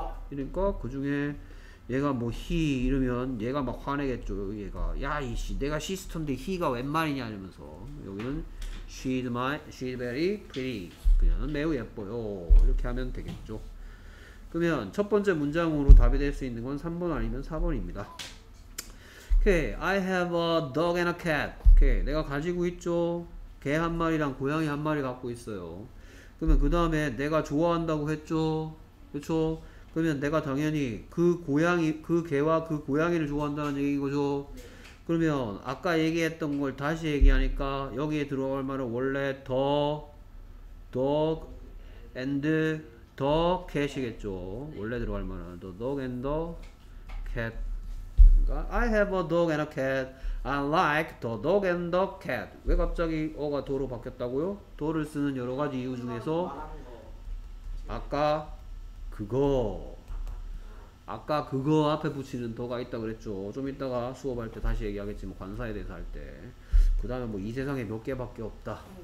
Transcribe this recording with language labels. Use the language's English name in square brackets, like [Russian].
[Korean] 그러니까 그 중에 얘가 뭐 he 이러면 얘가 막 화내겠죠. 얘가 야 이씨 내가 시스터인데 he가 웬 말이냐 이러면서 여기는 [English] she's very pretty [Korean] 그녀는 매우 예뻐요 이렇게 하면 되겠죠. 그러면 첫 번째 문장으로 답이 될 수 있는 건 3번 아니면 4번입니다. [English] Okay, I have a dog and a cat. [Korean] Okay, 내가 가지고 있죠. 개 한 마리랑 고양이 한 마리 갖고 있어요. 그러면 그 다음에 내가 좋아한다고 했죠. 그렇죠? 그러면 내가 당연히 그 고양이, 그 개와 그 고양이를 좋아한다는 얘기인 거죠. 네. 그러면 아까 얘기했던 걸 다시 얘기하니까 여기에 들어갈 말은 원래 [English] the dog and the cat [Korean] 이겠죠. 네. 원래 들어갈 말은 [English] the dog and the cat. 그러니까 I have a dog and a cat. I like the dog and the cat. [Korean] 왜 갑자기 어가 do로 바뀌었다고요? do를 쓰는 여러 가지 이유 중에서 아까 그거 아까 그거 앞에 붙이는 더가 있다 그랬죠. 좀 이따가 수업할 때 다시 얘기하겠지만 관사에 대해서 할 때 그 다음에 뭐 이 세상에 몇 개밖에 없다.